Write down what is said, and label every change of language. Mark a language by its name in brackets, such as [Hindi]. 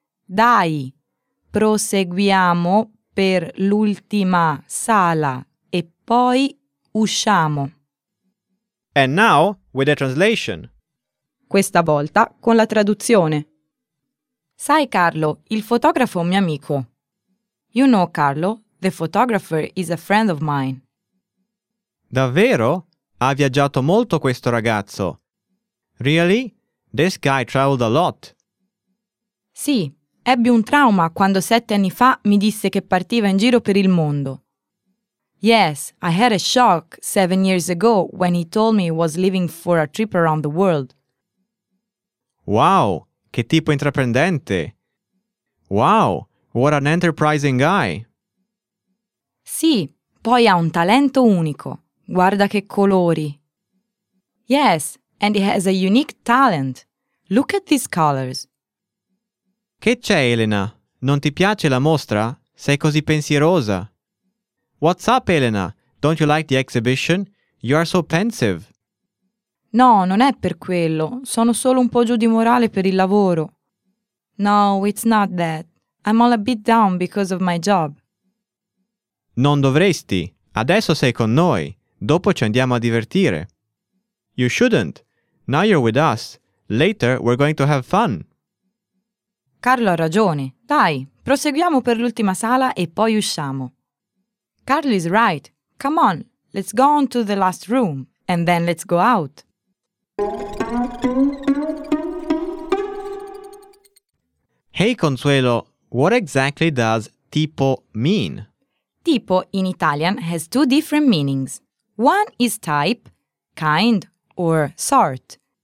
[Italian] Dai, proseguiamo per l'ultima sala e poi usciamo. [English] And now with the translation. [Italian] Questa volta con la traduzione. Sai Carlo, il fotografo è un mio amico. [English] You know Carlo, the photographer is a friend of mine. [Italian] Davvero? Ha viaggiato molto questo ragazzo. [English] Really? This guy traveled a lot. [Italian] Sì, ebbi un trauma quando 7 anni fa mi disse che partiva in giro per il mondo. [English] Yes, I had a shock 7 years ago when he told me he was leaving for a trip around the world. [Italian] Wow, che tipo intraprendente! [English] Wow, what an enterprising guy! [Italian] Sì, poi ha un talento unico. Guarda che colori! [English] Yes, and he has a unique talent. Look at these colors. [Italian] Che c'è, Elena? Non ti piace la mostra? Sei così pensierosa. [English] What's up, Elena? Don't you like the exhibition? You are so pensive. [Italian] No, non è per quello. Sono solo un po' giù di morale per il lavoro. [English] No, it's not that. I'm all a bit down because of my job. [Italian] Non dovresti. Adesso sei con noi. Dopo ci andiamo a divertire. [English] You shouldn't. Now you're with us. Later we're going to have fun. [Italian] Carlo ha ragione. Dai, proseguiamo per l'ultima sala e poi usciamo. [English] Carlo is right. Come on, let's go on to the last room and then let's go out. Hey Consuelo, what exactly does tipo mean? Tipo in Italian has two different meanings. One is type, kind, or sort.